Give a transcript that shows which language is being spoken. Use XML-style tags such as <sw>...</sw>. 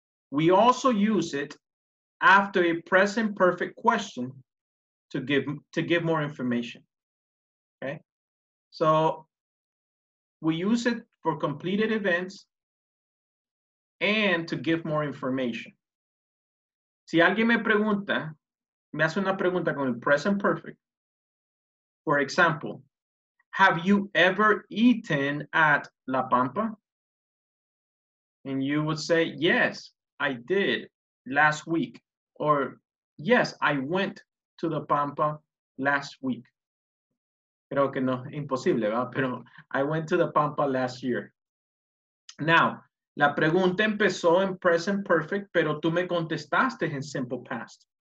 <en>We also use it after a present perfect question to give more information. Okay. So we use it for completed events and to give more information.</en> <es>Si alguien me hace una pregunta con el present perfect.</es> <en>For example, have you ever eaten at La Pampa? And you would say, yes, I did last week. Or, yes, I went to the Pampa last week.</en> <es>Creo que no, imposible, ¿verdad? Pero</es> <en>I went to the Pampa last year.</en> <es>Now, la pregunta empezó en present perfect, pero tú me contestaste en simple past.</es>